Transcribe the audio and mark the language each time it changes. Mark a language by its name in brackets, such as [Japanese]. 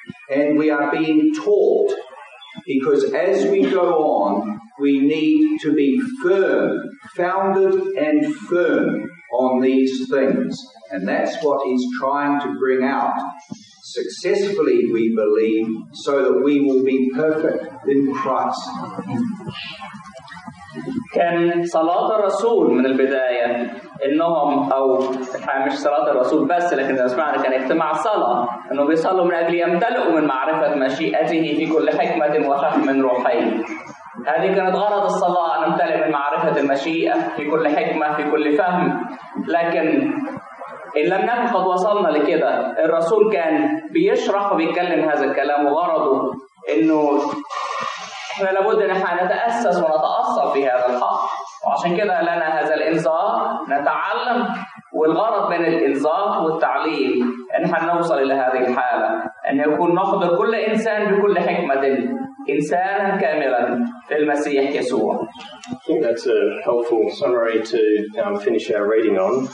[English] And we are being taught, because as we go on, we need to be firm, founded and firm on these things. And that's what he's trying to bring out successfully, we believe, so that we will be perfect in Christ. [Arabic] كان صلاة الرسول من البداية إنهم أو مش صلاة الرسول بس، لكن إذا سمعنا كان اجتماع صلاة إنه بيصلوا من أجل يمتلئوا من معرفة مشيئته في كل حكمة وفهم روحي. هذه كانت غرض الصلاة، أن نمتلئ من معرفة المشيئة في كل حكمة في كل فهم. لكن إن لم نكن قد وصلنا لكذا، الرسول كان بيشرح وبيتكلم هذا الكلام، وغرضه إنه احنا لابد ان احنا نتاسس ونتاصل في هذا الحق. وعشان كده لنا هذا الانذار نتعلم. والغرض من الانذار والتعليم ان احنا نوصل الى هذه الحاله ان يكون نحضر كل انسان بكل حكمه انسانا كاملا في المسيح يسوع. [English] I think that's a helpful summary to finish our reading on.